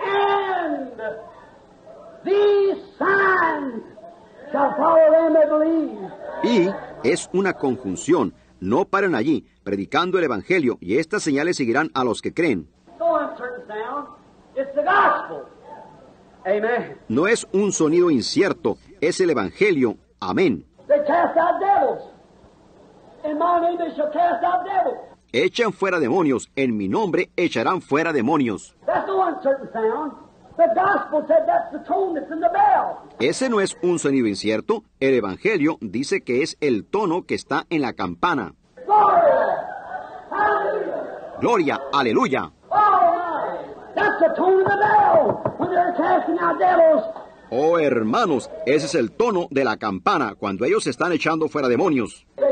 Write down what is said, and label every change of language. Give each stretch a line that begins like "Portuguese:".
English: And these signs shall follow them that believe.
Spanish: Y es una conjunción. No paren allí, predicando el Evangelio, y estas señales seguirán a los que creen.
English: Go on, turn it down. It's the gospel. Amen.
Spanish: No es un sonido incierto. Es el Evangelio. Amén.
English: They cast out devils. In my name they shall cast out devils.
Spanish: Echan fuera demonios. En mi nombre echarán fuera demonios.
English: That's the one certain sound. The gospel said that's the tone that's in the bell.
Spanish: Ese no es un sonido incierto. El Evangelio dice que es el tono que está en la campana.
English: Gloria. Hallelujah.
Spanish: Gloria. Aleluya.
English: Oh, that's the tone of the bell when they're casting out devils.
Spanish: Oh, hermanos, ese es el tono de la campana cuando ellos están echando fuera demonios.